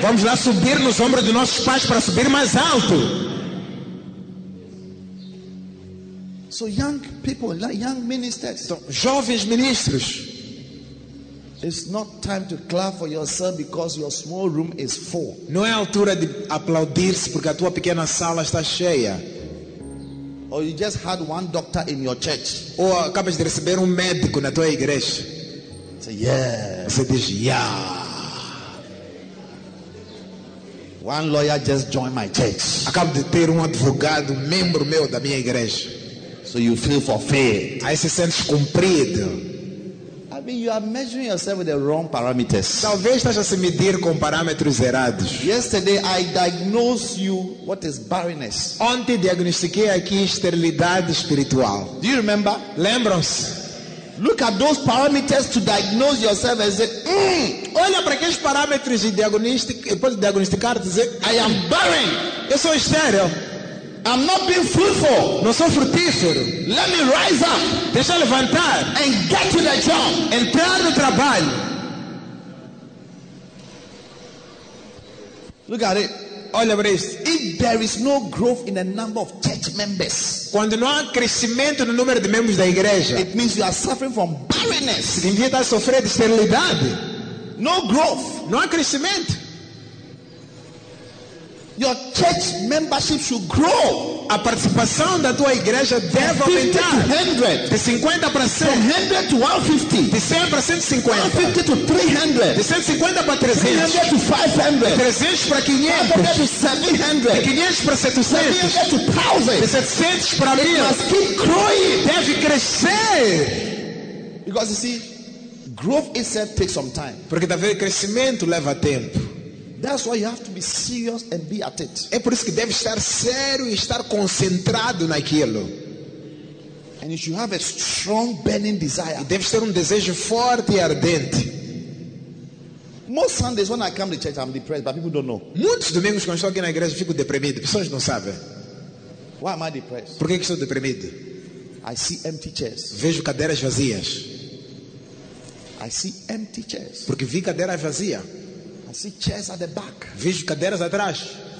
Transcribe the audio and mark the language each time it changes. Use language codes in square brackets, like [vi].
[pt] Vamos lá subir nos ombros de nossos pais para subir mais alto. [en] So young people, young ministers. [pt] Então, jovens ministros. [en] It's not time to clap for yourself because your small room is full. [pt] Não é a altura de aplaudir-se porque a tua pequena sala está cheia. [en] Or you just had one doctor in your church. [pt] Ou acabas de receber médico na tua igreja. [en] Say yeah. [pt] Você diz yeah. [en] One lawyer just joined my church. [pt] Acabo de ter advogado membro meu da minha igreja. [en] So you feel fulfilled. [pt] Aí se sente cumprido. [en] I mean, you are measuring yourself with the wrong parameters. [pt] Talvez estás a se medir com parâmetros errados. [en] Yesterday I diagnosed you what is barrenness. [pt] Ontem diagnostiquei aqui esterilidade espiritual. [en] Do you remember? [pt] Lembram-se? [en] Look at those parameters to diagnose yourself and say, [pt] Olha para aqueles parâmetros e diagnosticar e dizer, [en] I am barren. [pt] Eu sou estéril. [en] I'm not being fruitful. [pt] Não sou frutífero. [en] Let me rise up. [pt] Deixa eu levantar. [en] And get to the job. [pt] Entrar no trabalho. [en] Look at it. [pt] Olha para isso. [en] If there is no growth in the number of church members, [pt] quando não há crescimento no número de membros da igreja, [en] it means you are suffering from barrenness. [pt] Significa que está a sofrer de esterilidade. [en] No growth. [pt] Não há crescimento. [en] Your church membership should grow. [pt] A participação da tua igreja deve aumentar. [en] 100, [pt] de 50 para 100. [en] From 100 to 150. [pt] De 100 para 150. [en] 150 to 300. [pt] De 150 para 300. [en] 300 to 500. [pt] De 300 para 500. [en] 500 to 700. [pt] De 500 para 700. [en] 700 to 1000. [pt] De 700 para 1000. [en] It must keep growing. [pt] Deve crescer. [en] Because you see, growth itself takes some time. [pt] Porque talvez o crescimento leva tempo. [en] That's why you have to be serious and be at it. [pt] É por isso que deve estar sério e estar concentrado naquilo. [en] And you should have a strong burning desire. [pt] E deve ter desejo forte e ardente. [en] Most Sundays when I come to church I'm depressed, but people don't know. [pt] Muitos domingos quando estou aqui na igreja fico deprimido, pessoas não sabem. [en] Why am I depressed? [pt] Por que estou deprimido? [en] I see empty chairs. [pt] Vejo cadeiras vazias. [en] I see empty chairs. [pt] Porque vi cadeira vazia. [en] I see chairs at the back. [pt] Vejo cadeiras atrás.